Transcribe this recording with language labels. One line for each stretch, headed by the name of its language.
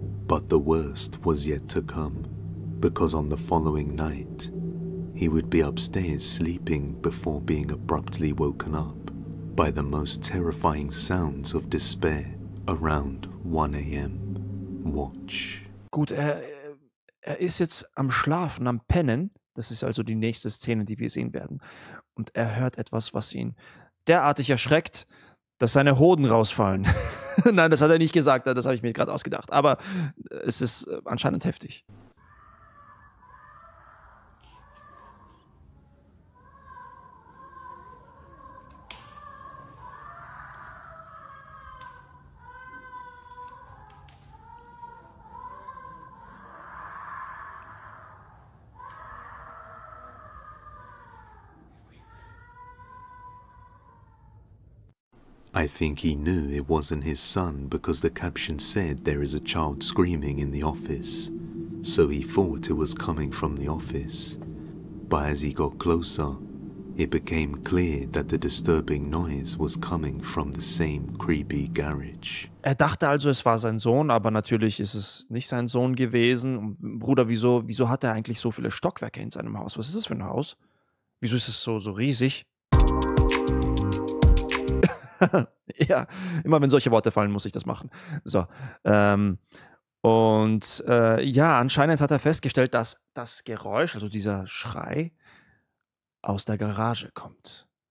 English: But the worst was yet to come, because on the following night, he would be upstairs sleeping before being abruptly woken up by the most terrifying sounds of despair around 1 a.m. Watch.
German: Gut, er ist jetzt am Schlafen, am Pennen. Das ist also die nächste Szene, die wir sehen werden. Und er hört etwas, was ihn derartig erschreckt, dass seine Hoden rausfallen. Nein, das hat er nicht gesagt, das habe ich mir gerade ausgedacht. Aber es ist anscheinend heftig.
English: I think he knew it wasn't his son because the caption said there is a child screaming in the office. So he thought it was coming from the office. But as he got closer, it became clear that the disturbing noise was coming from the same creepy garage.
German: Er dachte also, es war sein Sohn, aber natürlich ist es nicht sein Sohn gewesen. Bruder, wieso hat er eigentlich so viele Stockwerke in seinem Haus? Was ist das für ein Haus? Wieso ist es so riesig? Ja, immer wenn solche Worte fallen, muss ich das machen. So, anscheinend hat er festgestellt, dass das Geräusch, also dieser Schrei, aus der Garage kommt.